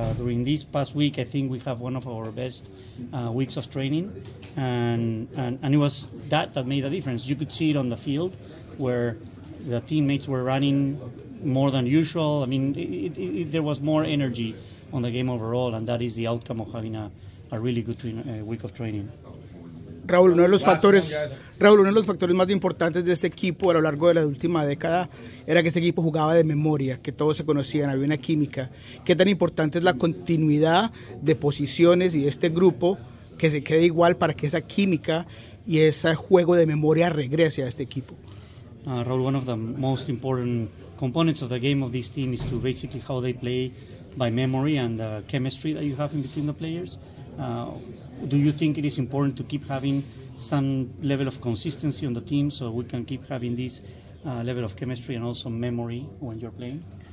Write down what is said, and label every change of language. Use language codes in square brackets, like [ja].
[en] During this past week, I think we have one of our best weeks of training, and it was that made the difference. You could see it on the field, where the teammates were running more than usual. I mean, there was more energy on the game overall, and that is the outcome of having a really good week of training. [es] Raúl, uno de los factores más importantes de este equipo a lo largo de la última década era que este equipo jugaba de memoria, que todos se conocían, había una química. ¿Qué tan importante es la continuidad de posiciones y de este grupo que se quede igual para que esa química y ese juego de memoria regrese a este equipo? [en] Raúl, one of the most important components of the game of this team is to basically how they play by memory and the chemistry that you have in between the players. Do you think it is important to keep having some level of consistency on the team so we can keep having this level of chemistry and also memory when you're playing?